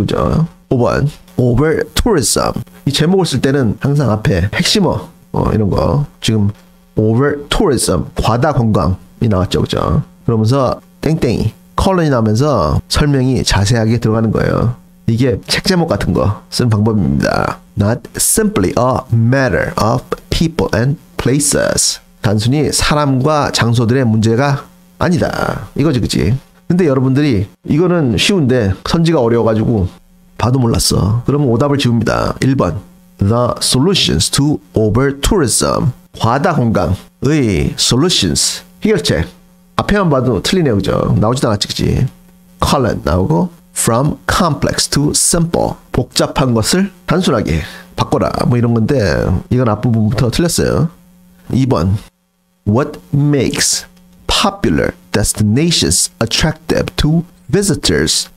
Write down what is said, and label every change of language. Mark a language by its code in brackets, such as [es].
[ko] 그죠? 5번 over tourism. 이 제목을 쓸 때는 항상 앞에 핵심어 이런 거 지금 over tourism 과다 관광이 나왔죠. 그죠? 그러면서 땡땡이 colon이 나오면서 설명이 자세하게 들어가는 거예요. 이게 책 제목 같은 거 쓰는 방법입니다. [en] not simply a matter of people and places. [ko] 단순히 사람과 장소들의 문제가 아니다 이거지. 그치? 근데 여러분들이 이거는 쉬운데 선지가 어려워가지고 봐도 몰랐어. 그러면 오답을 지웁니다. [en] 1번 The solutions to over tourism. [ko] 과다 관광의 solutions 해결책. 앞에만 봐도 틀리네요. 그죠? 나오지도 않았지. 그치? [en] colon 나오고 from complex to simple. [ko] 복잡한 것을 단순하게 바꿔라 뭐 이런 건데 이건 앞부분부터 틀렸어요. [en] 2번 What makes popular destinations attractive to visitors?